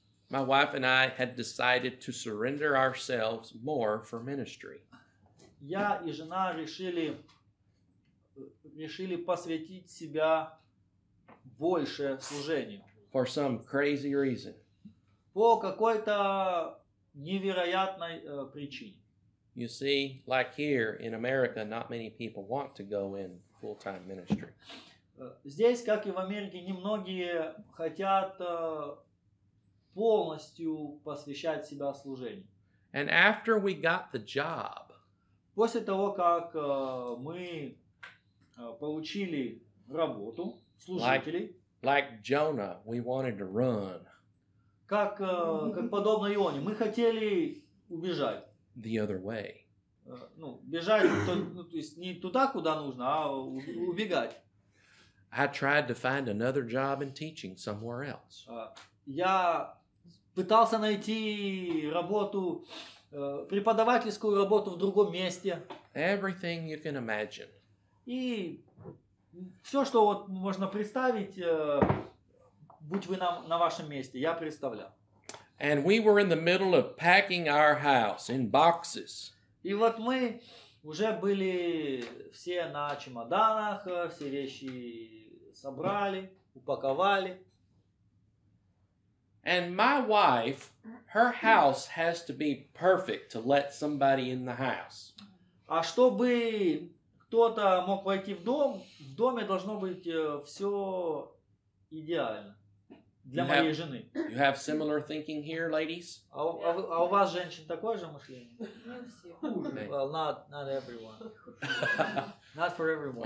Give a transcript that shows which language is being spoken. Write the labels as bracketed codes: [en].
[en] my wife and I had decided to surrender ourselves more for ministry. [ru] Я и жена решили посвятить себя больше служению. [en] For some crazy reason. [ru] По какой-то невероятной причине. [en] You see, like here in America, not many people want to go in full-time ministry. [ru] Здесь, как и в Америке, немногие хотят полностью посвящать себя служению. [en] And after we got the job, [ru] после того, как мы получили работу служителей. [en] Like Jonah, we wanted to run. [ru] Как подобно Ионе, мы хотели убежать. [en] The other way. [ru] Ну, бежать, то есть не туда, куда нужно, а убегать. [en] I tried to find another job in teaching somewhere else. [ru] Я пытался найти работу, преподавательскую работу в другом месте. [en] Everything you can imagine. [ru] И все, что вот можно представить, будь вы на вашем месте, я представлял. [en] And we were in the middle of packing our house in boxes. [ru] И вот мы уже были все на чемоданах, все вещи собрали, упаковали. [en] And my wife, her house has to be perfect to let somebody in the house. [ru] А чтобы кто-то мог войти в дом, в доме должно быть все идеально для моей жены. [en] You have similar thinking here, ladies? [ru] А у вас, женщин, такое же мышление? Не все. [en] Well, not everyone. Not for everyone.